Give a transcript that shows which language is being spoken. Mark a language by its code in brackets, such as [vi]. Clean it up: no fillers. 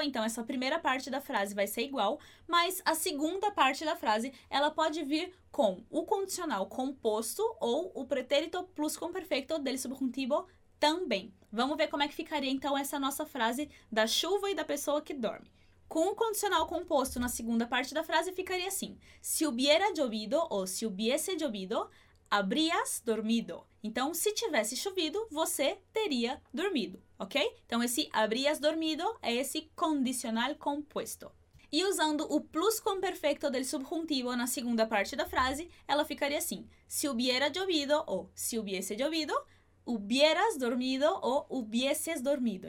[pt] Então, essa primeira parte da frase vai ser igual. Mas a segunda parte da frase, ela pode vir com o condicional composto ou o pretérito pluscuamperfeito del subjuntivo também. Vamos ver como é que ficaria, então, essa nossa frase da chuva e da pessoa que dorme. Com o condicional composto na segunda parte da frase, ficaria assim. [es] Si hubiera llovido ou si hubiese llovido, habrías dormido. [pt] Então, se tivesse chovido, você teria dormido, ok? Então, esse habrías dormido é esse condicional composto. E usando o pluscuamperfeito del subjuntivo na segunda parte da frase, ela ficaria assim. [es] Si hubiera llovido ou si hubiese llovido, hubieras dormido ou hubieses dormido.